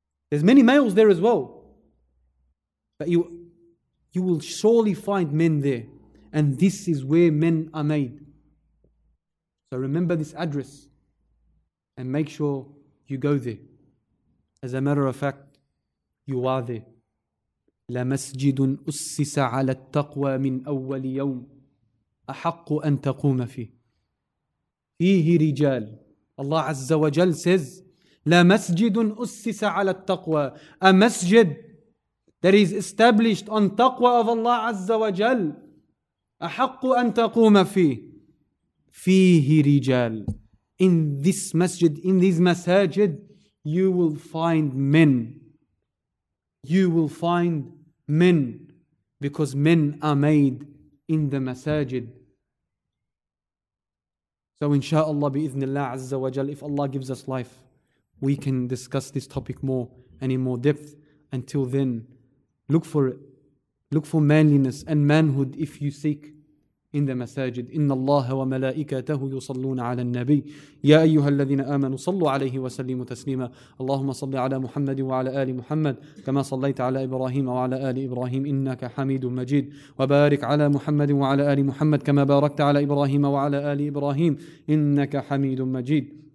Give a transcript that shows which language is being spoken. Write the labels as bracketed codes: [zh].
[en] There's many males there as well. But you will surely find men there. And this is where men are made. So remember this address and make sure you go there. As a matter of fact, you are there. [ar] لمسجد أسس على التقوى من أول يوم أحق أن تقوم فيه فيه رجال. الله عز وجل says لمسجد أسس على التقوى. [en] A masjid that is established on taqwa of Allah [ar] عز وجل أحق أن تقوم فيه فيه رجال. [en] In this masjid, in these masajid, you will find men. You will find men, because men are made in the masajid. So inshaAllah, bi'ithnillah azza wa jal, if Allah gives us life, we can discuss this topic more and in more depth. Until then, look for it. Look for manliness and manhood if you seek. in the masajid, [ar] إِنَّ اللَّهَ وَمَلَائِكَتَهُ يُصَلُّونَ عَلَى النَّبِيِّ يَا أَيُّهَا الَّذِينَ آمَنُوا صَلُّوا عَلَيْهِ وَسَلِّمُوا تَسْلِيمًا اللهم صل على محمد وعلى آل محمد كما صليت على إبراهيم وعلى آل إبراهيم إنك حميد مجيد وبارك على محمد وعلى آل محمد كما باركت على إبراهيم وعلى آل إبراهيم إنك حميد مجيد